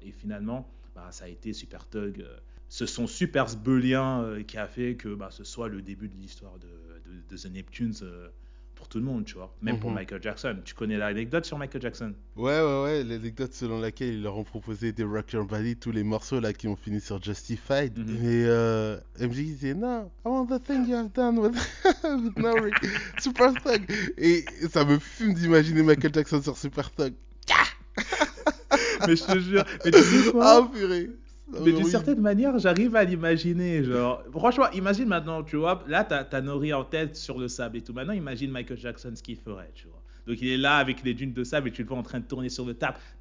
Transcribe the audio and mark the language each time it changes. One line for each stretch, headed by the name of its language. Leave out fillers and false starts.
French: Et finalement, bah, ça a été Super Thug. Ce sont Super Sbeulien qui a fait que bah, ce soit le début de l'histoire de The Neptunes pour tout le monde, tu vois. Même pour Michael Jackson. Tu connais l'anecdote sur Michael Jackson ? Ouais, l'anecdote selon laquelle ils leur ont proposé des Rock Your Body, tous les morceaux là qui ont fini sur Justified. Mais MJ disait, non,
English: I want the thing you have done with Nori.
French: Super Thug. Et ça me fume d'imaginer Michael Jackson sur Super Thug. Mais je te jure. Mais tu sais quoi ? Ah, purée. Mais d'une certaine manière, j'arrive à l'imaginer, genre, franchement, imagine maintenant, tu vois, là, t'as Nori en tête sur le sable et tout, maintenant, imagine Michael Jackson ce qu'il ferait, tu vois, donc il est là avec les dunes de sable et tu le vois en train de tourner sur le tap,